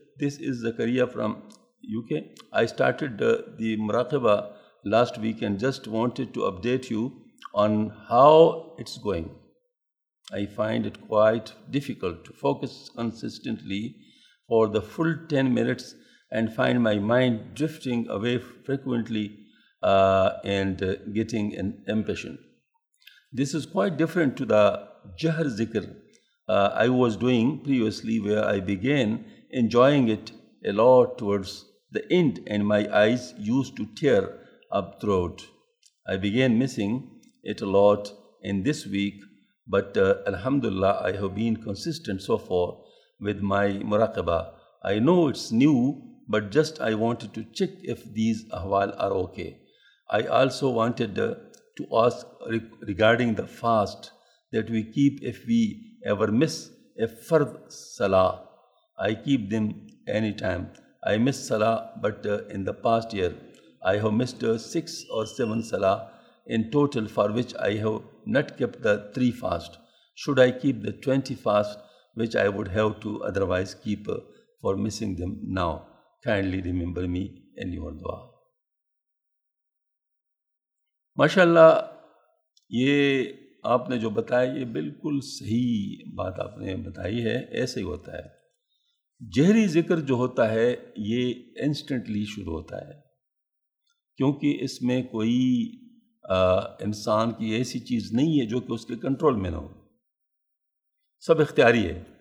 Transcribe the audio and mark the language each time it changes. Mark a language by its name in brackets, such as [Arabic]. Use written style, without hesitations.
[English] This is Zakaria from UK. I started the muraqaba last week and just wanted to update you on how it's going. I find it quite difficult to focus consistently for the full 10 minutes and find my mind drifting away frequently and getting an impatient. This is quite different to the jahr zikr I was doing previously, where I began enjoying it a lot towards the end and my eyes used to tear up throat. I began missing it a lot in this week, but alhamdulillah I have been consistent so far with my muraqabah. I know it's new, but just I wanted to check if these ahwal are okay. I also wanted to ask regarding the fast that we keep if we ever miss a fard salah. I keep them anytime. I miss salah, but in the past year I have missed 6 or 7 salah in total, for which I have not kept the 3 fast. Should I keep the 20 fast which I would have to otherwise keep for missing them now? Kindly remember me in your dua. [Urdu] ماشاءاللہ یہ آپ نے جو بتایا یہ بالکل صحیح بات آپ نے بتائی ہے. ایسے ہی ہوتا ہے. جہری ذکر جو ہوتا ہے یہ انسٹنٹلی شروع ہوتا ہے, کیونکہ اس میں کوئی انسان کی ایسی چیز نہیں ہے جو کہ اس کے کنٹرول میں نہ ہو. سب اختیاری ہے.